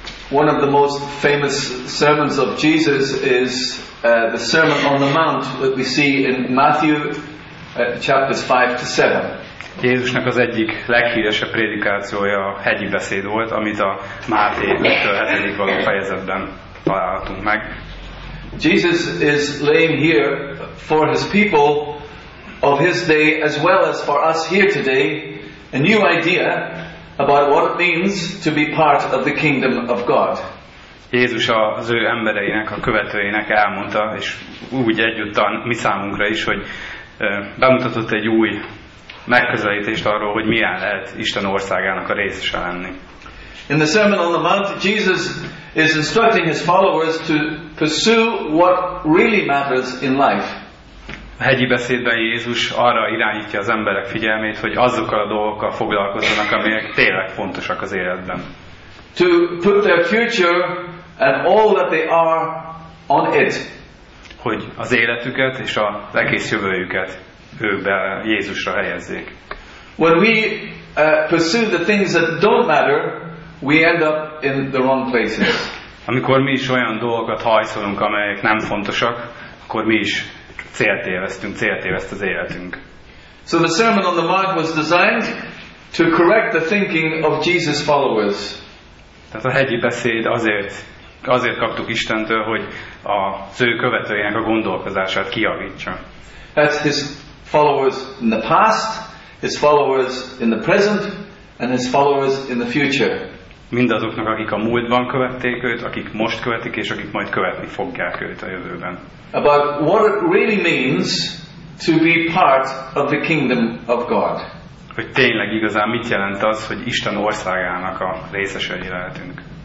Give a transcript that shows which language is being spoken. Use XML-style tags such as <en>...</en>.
<en>One of the most famous sermons of Jesus is the Sermon on the Mount that we see in Matthew chapters 5-7.</en> <hu>Jézusnak az egyik leghíresebb prédikációja a hegyi beszéd volt, amit a Máté 5-7. Való fejezetben találhatunk meg.</hu> <en>Jesus is laying here for his people of his day as well as for us here today a new idea about what it means to be part of the kingdom of God.</en> <hu>Jézus az ő embereinek, a követőinek elmondta, és úgy egyúttal mi számunkra is, hogy bemutatott egy új megközelítést arról, hogy milyen lehet Isten országának a részese lenni.</hu> <en>In the Sermon on the Mount, Jesus is instructing his followers to pursue what really matters in life.</en> <hu>A hegyi beszédben Jézus arra irányítja az emberek figyelmét, hogy azokkal a dolgokkal foglalkozzanak, amelyek tényleg fontosak az életben.</hu> <en>To put their future and all that they are on it.</en> <hu>Hogy az életüket és az egész jövőjüket őbe, Jézusra helyezzék.</hu> <en>When we pursue the things that don't matter, we end up in the wrong places.</en> <hu>Amikor mi is olyan dolgokat hajszolunk, amelyek nem fontosak, akkor mi is céltéveszt az életünk.</hu> <en>So the Sermon on the Mount was designed to correct the thinking of Jesus' followers.</en> <hu>Tehát a hegyi beszéd azért kaptuk Istentől, hogy az ő követőinek a gondolkozását kijavítsa.</hu> <en>That's his followers in the past, his followers in the present, and his followers in the future.</en> <hu>Mindazoknak, akik a múltban követték őt, akik most követik, és akik majd követni fogják őt a jövőben.</hu> <en>About what it really means to be part of the kingdom of God.</en> <hu>Hogy tényleg igazán mit jelent az, hogy Isten országának a részesei lehetünk.</hu>